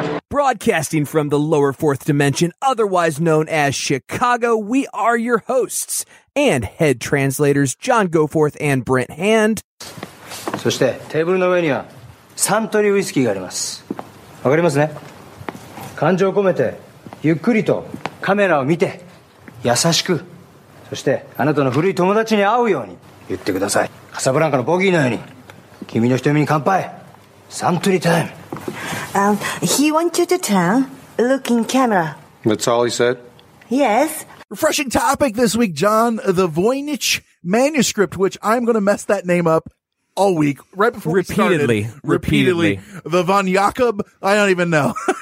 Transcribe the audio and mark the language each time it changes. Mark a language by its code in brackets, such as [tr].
[en] Broadcasting from the lower fourth dimension, otherwise known as Chicago, we are your hosts and head translators, John Goforth and Brent Hand. [ja] そしてテーブルの上にはサントリーウイスキーがあります。わかりますね？感情を込めてゆっくりとカメラを見て優しく、そしてあなたの古い友達に会うように言ってください。カサブランカのボギーのように君の瞳に乾杯。サントリータイム。 [en] He wants you to turn, look in camera. That's all he said? Yes. Refreshing topic this week, John, the Voynich manuscript, which I'm going to mess that name up all week, right before repeatedly. The Von Jakob, I don't even know.